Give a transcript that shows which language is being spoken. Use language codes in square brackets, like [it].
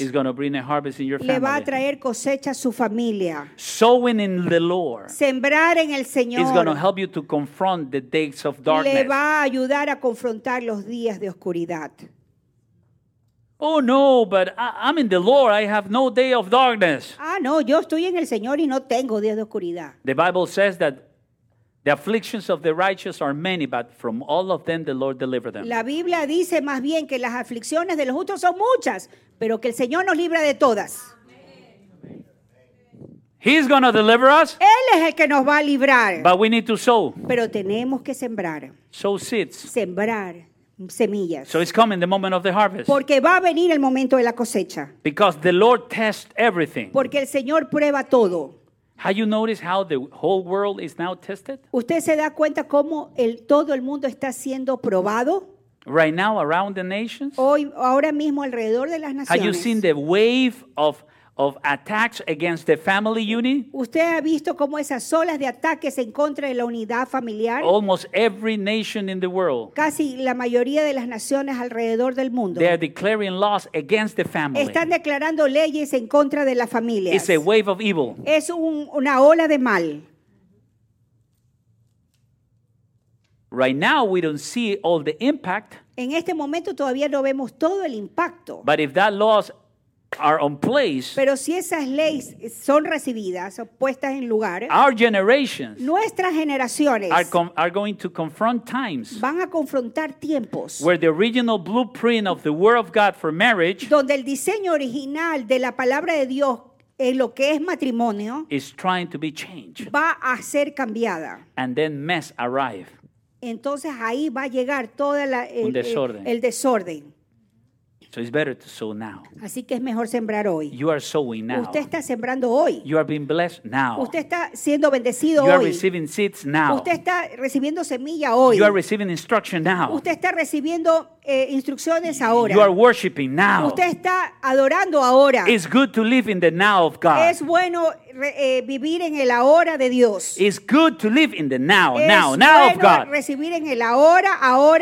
[en] is going to bring a harvest in your family, [es] le va a traer cosecha a su familia. [en] Sowing in the Lord, [es] sembrar en el Señor, [en] is going to help you to confront the days of darkness, [es] le va a ayudar a confrontar los días de oscuridad. [en] Oh no, but I'm in the Lord. I have no day of darkness. [es] Ah, no, yo estoy en el Señor y no tengo días de oscuridad. [en] The Bible says that the afflictions of the righteous are many, but from all of them the Lord delivers them. [es] La Biblia dice más bien que las aflicciones de los justos son muchas, pero que el Señor nos libra de todas. [en] He's going to deliver us. [es] Él es el que nos va a librar. [en] But we need to sow. [es] Pero tenemos que sembrar. [en] Sow seeds. [es] Sembrar. Semillas. [en] So it's coming, the moment of the harvest. [es] Porque va a venir el momento de la cosecha. [en] Because the Lord tests everything. [es] Porque el Señor prueba todo. [en] Have you noticed how the whole world is now tested? [es] ¿Usted se da cuenta cómo todo el mundo está siendo probado? [en] Right now, around the nations. [es] Hoy, ahora mismo, alrededor de las naciones. [en] Have you seen the wave of attacks against the family unit? [es] ¿Usted ha visto cómo esas olas de ataques en contra de la unidad familiar? [en] Almost every nation in the world. [es] Casi la mayoría de las naciones alrededor del mundo. [en] They are declaring laws against the family. [es] Están declarando leyes en contra de la familia. [en] It's a wave of evil. [es] Es una ola de mal. [en] Right now we don't see all the impact. [es] En este momento todavía no vemos todo el impacto. [en] But if that law are on place, [es] pero si esas leyes son recibidas o puestas en lugar, [en] our generations, [es] nuestras generaciones, [en] are going to confront times, [es] van a confrontar tiempos, [en] where the original blueprint of the word of God for marriage, [es] donde el diseño original de la palabra de Dios en lo que es matrimonio, [en] is trying to be changed, [es] va a ser cambiada, [en] and then mess arrive, [es] entonces ahí va a llegar toda el desorden. [en] So it's better to sow now. [es] Así que es mejor sembrar hoy. [en] You are sowing now. [es] Usted está sembrando hoy. [en] You are being blessed now. [es] Usted está siendo bendecido hoy. [en] You are receiving seeds now. [es] Usted está recibiendo semilla hoy. [en] You are receiving instruction now. [es] Usted está recibiendo instrucciones ahora. [en] You are worshiping now. [es] Usted está adorando ahora. [en] It's good to live in the now of God. [es] Es bueno vivir en el ahora de Dios. [en] It's good to live in the now of God. [es] Es bueno recibir en el ahora de Dios.